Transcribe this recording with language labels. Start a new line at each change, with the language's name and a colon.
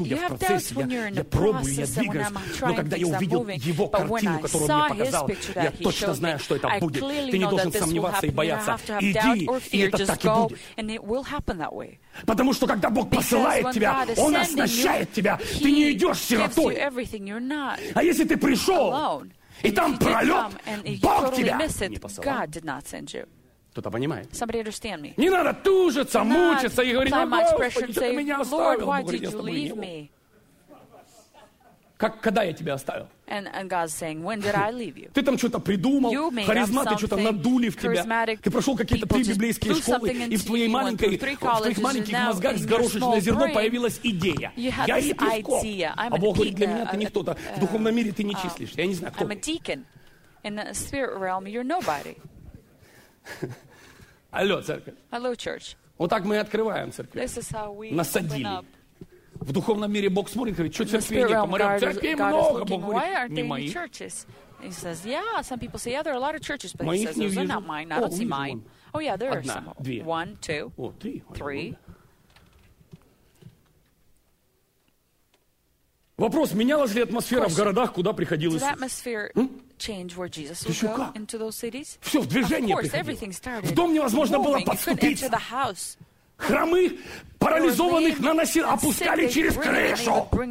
English: You have doubts when you're in the process and when I'm trying things are moving. But when I saw his picture that he showed me, I clearly know that this will happen. You don't have to have doubt or fear. Just go, and it will happen that way.
Russian: Потому что когда Бог посылает тебя, Он оснащает тебя. Ты не идешь сиротой. А если ты пришел, и там пролет, Бог тебя не посылал. Кто-то понимает?
English: Somebody understand me.
Russian: Не надо тужиться, мучиться и говорить, «Господи, ты меня оставил!»
English: Lord, why did you leave me?
Russian: Как, когда я тебя оставил?
English: And God's saying, when did I leave you?
Russian: Ты там что-то придумал, харизматы что-то надули в тебя. Ты прошел какие-то три библейские школы, и в твоей маленькой, в твоих маленьких мозгах с горошечное зерно появилась идея. Я епископ. А Бог говорит, для меня ты не кто-то. В духовном мире ты не числишься. Я не знаю, кто
English: I'm a deacon. In the spirit realm, you're nobody.
Russian: Алло, церковь.
English: Hello, church.
Russian: Вот так мы и открываем церковь.
English: This is how we
Russian: насадили. В духовном мире Бог смотрит и говорит, что церквей нет, говорят, церквей много, Бог говорит, не моих.
English: He says, yeah, some people say, yeah, there are a lot of churches, but he says, those are not mine, I don't see mine. Oh, yeah, there are some.
Russian: Две.
English: One, two,
Russian: о, три.
English: Three.
Russian: Вопрос, менялась ли атмосфера в городах, куда приходил Иисус?
English: Did that atmosphere change where Jesus would go into those cities?
Russian: Все, в движение приходило.
English: Of course, everything started.
Russian: В дом невозможно было подступиться. Хромых, парализованных наносили, опускали через крышу.